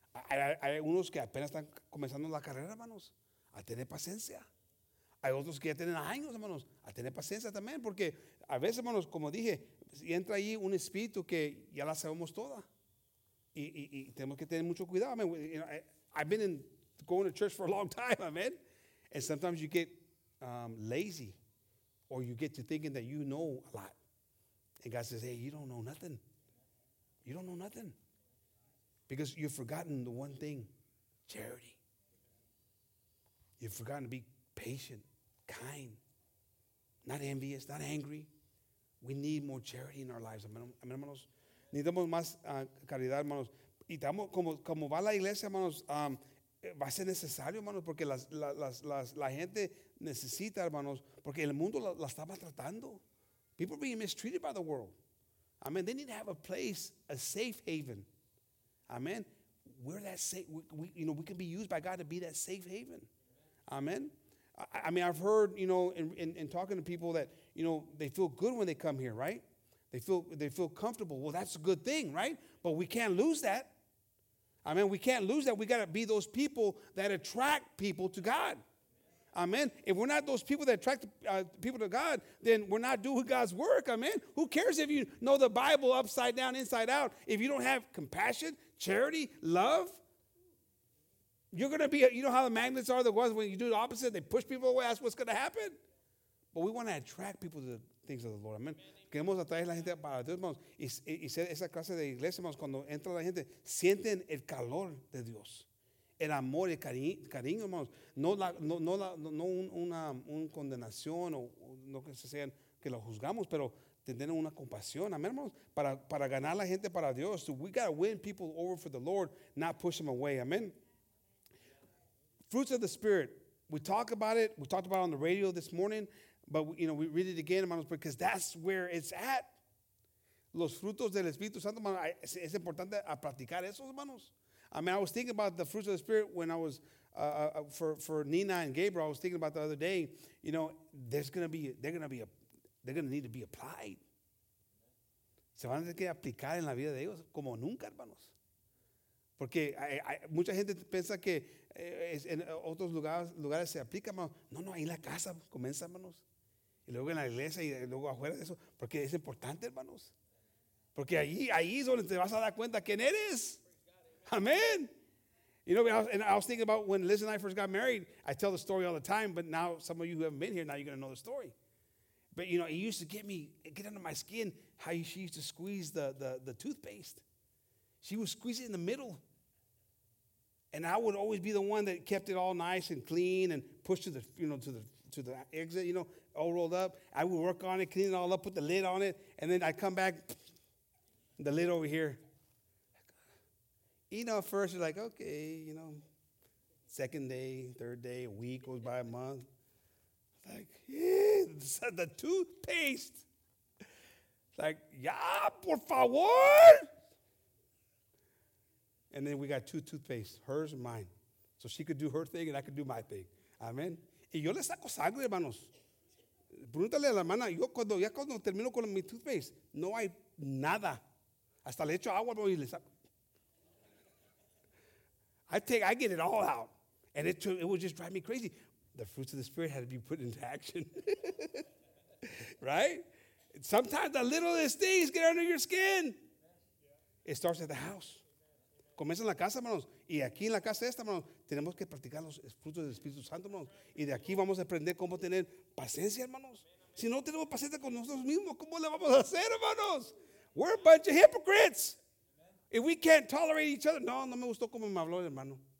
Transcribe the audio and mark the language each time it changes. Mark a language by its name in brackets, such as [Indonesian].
[Spanish] Hay unos que apenas están comenzando la carrera, hermanos, a tener paciencia. Hay otros que ya tienen años, hermanos, a tener paciencia también. Porque a veces, hermanos, como dije, entra ahí un espíritu que ya la sabemos toda. Y tenemos que tener mucho cuidado. [English] I mean, you know, I've been going to church for a long time, amen. And sometimes you get lazy, or you get to thinking that you know a lot. And God says, hey, you don't know nothing. You don't know nothing. Because you've forgotten the one thing, charity. You've forgotten to be patient, kind, not envious, not angry. We need more charity in our lives, amen, hermanos. [Spanish] Necesitamos más caridad, hermanos. [English] Y estamos, como va la iglesia, hermanos, va a ser necesario, hermanos, porque la gente necesita, hermanos, porque el mundo la está maltratando. People are being mistreated by the world. I mean, they need to have a place, a safe haven. Amen. we're that safe. We can be used by God to be that safe haven. Amen. I mean, I've heard, you know, in talking to people that, you know, they feel good when they come here, right? They feel comfortable. Well, that's a good thing, right? But we can't lose that. Amen. We can't lose that. We got to be those people that attract people to God. Amen. If we're not those people that attract people to God, then we're not doing God's work. Amen. Who cares if you know the Bible upside down, inside out? If you don't have compassion, charity, love, you're going to be, you know how the magnets are, the ones when you do the opposite, they push people away. That's what's going to happen. But we want to attract people to the things of the Lord. [Spanish] Amen. Queremos atraer la gente para Dios, hermanos. Y esa clase de iglesia, hermanos, cuando entra la gente, sienten el calor de Dios. El amor, el cariño, hermanos. No una condenación o no que se sean que lo juzgamos, pero tener una compasión. Amén, hermanos. Para ganar la gente para Dios. [English] So we got to win people over for the Lord, not push them away. Amen. Fruits of the Spirit. We talk about it. We talked about it on the radio this morning. But, you know, we read it again, hermanos, because that's where it's at. [Spanish] Los frutos del Espíritu Santo, hermanos. Es importante a practicar eso, hermanos. [English] I mean, I was thinking about the fruits of the Spirit when I was, for Nina and Gabriel, I was thinking about the other day, you know, they're going to need to be applied. [Spanish] Se van a tener que aplicar en la vida de ellos como nunca, hermanos. Porque mucha gente piensa que en otros lugares se aplica, hermanos. No, no, ahí en la casa comienza, hermanos. Y luego en la iglesia y luego afuera de eso. Porque es importante, hermanos. Porque ahí es donde te vas a dar cuenta quién eres. [English] Amen. You know, I was thinking about when Liz and I first got married. I tell the story all the time, but now some of you who haven't been here, now you're going to know the story. But, you know, it used to get under my skin how she used to squeeze the toothpaste. She would squeeze it in the middle. And I would always be the one that kept it all nice and clean and pushed to the exit, you know, all rolled up. I would work on it, clean it all up, put the lid on it, and then I'd come back, the lid over here. You know, at first you're like, okay, you know, second day, third day, a week goes by, a month. Like, yeah, the toothpaste. Like, yeah, [Spanish] por favor. [English] And then we got two toothpastes, hers and mine. So she could do her thing and I could do my thing. [Spanish] Amen. Y yo le saco sangre, hermanos. Pregúntale a la hermana, yo cuando termino con mi toothpaste, no hay nada. Hasta le echo agua, hermano, y le saco. [English] I get it all out. And it would just drive me crazy. The fruits of the Spirit had to be put into action. Right? Sometimes the littlest things get under your skin. It starts at the house. [Spanish] Comienza en la casa, hermanos. Y aquí en la casa esta, hermanos, tenemos que practicar los frutos del Espíritu Santo, hermanos. Y de aquí vamos a aprender cómo tener paciencia, hermanos. Si no tenemos paciencia con nosotros mismos, ¿cómo le vamos a hacer, hermanos? [English] We're a bunch of hypocrites. If we can't tolerate each other, [Spanish] no me gustó cómo me habló el hermano.